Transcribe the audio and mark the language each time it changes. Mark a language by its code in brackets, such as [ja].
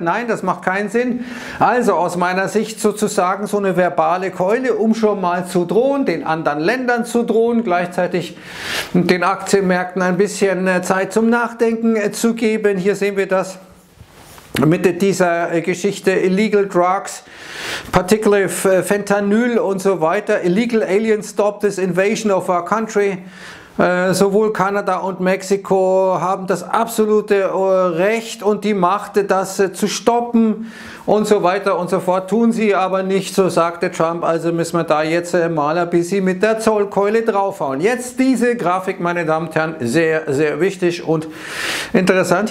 [de] Nein, das macht keinen Sinn. Also aus meiner Sicht sozusagen so eine verbale Keule, um schon mal zu drohen, den anderen Ländern zu drohen, gleichzeitig den Aktienmärkten ein bisschen Zeit zum Nachdenken zu geben. Hier sehen wir das mit dieser Geschichte: [en] Illegal Drugs, particularly Fentanyl [de] und so weiter. [en] Illegal aliens stop this invasion of our country. [de] Sowohl Kanada und Mexiko haben das absolute Recht und die Macht, das zu stoppen und so weiter und so fort. Tun sie aber nicht, so sagte Trump. Also müssen wir da jetzt mal ein bisschen mit der Zollkeule draufhauen. Jetzt diese Grafik, meine Damen und Herren, sehr, sehr wichtig und interessant.